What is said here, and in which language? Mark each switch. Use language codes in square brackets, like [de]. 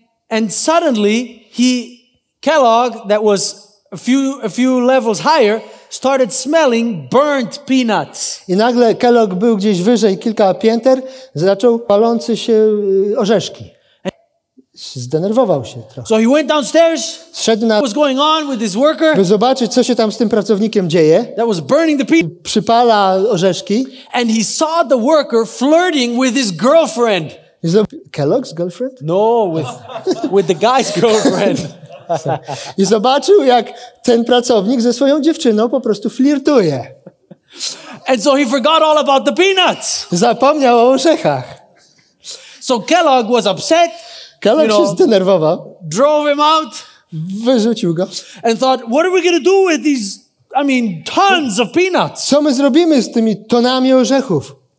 [en] And suddenly Kellogg, that was a few levels higher, started smelling burnt peanuts. [pl] I nagle Kellogg był gdzieś wyżej kilka pięter, zaczął palący się orzeszki. Zdenerwował się trochę. [en] So he went downstairs. [pl] Zszedł na... [en] What was going on with his worker? [pl] By zobaczyć, co się tam z tym pracownikiem dzieje. [en] That was burning the peanuts. [pl] Przypala orzeszki. [en] And he saw the worker flirting with his girlfriend. Is that Kellogg's girlfriend? No, with the guy's girlfriend. [pl] I zobaczył, jak ten pracownik ze swoją dziewczyną po prostu flirtuje. [en] And so he forgot all about the peanuts. [pl] Zapomniał o orzechach. [en] So Kellogg was upset. [pl] Kellogg się zdenerwował. [en] Drove him out. [pl] Wyrzucił go. [en] And thought, what are we going to do with these, tons of peanuts? [pl] Co my zrobimy z tymi tonami orzechów?